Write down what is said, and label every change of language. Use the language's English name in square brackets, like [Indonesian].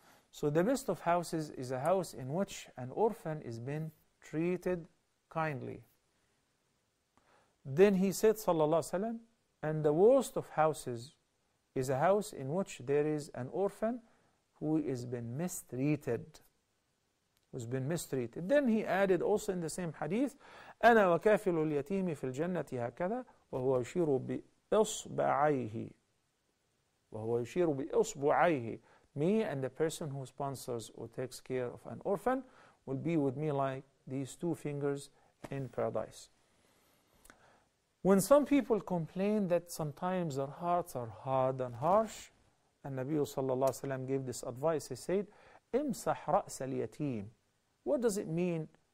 [English] So the best of houses is a house in which an orphan is being treated kindly. Then he said, sallallahu alayhi wa sallam, and the worst of houses is a house in which there is an orphan who has been mistreated. Then he added also in the same hadith, [Arabic] أنا وكافل اليتيم في الجنة هكذا، وهو يشير بإصبعيه، وهو يشير بإصبعيه. [English] Me and the person who sponsors or takes care of an orphan will be with me like these two fingers in paradise. When some people complain that sometimes their hearts are hard and harsh, and Nabi sallallahu alayhi wa sallam gave this advice, he said, [Arabic] امسح رأس اليتيم. [English] What does it mean?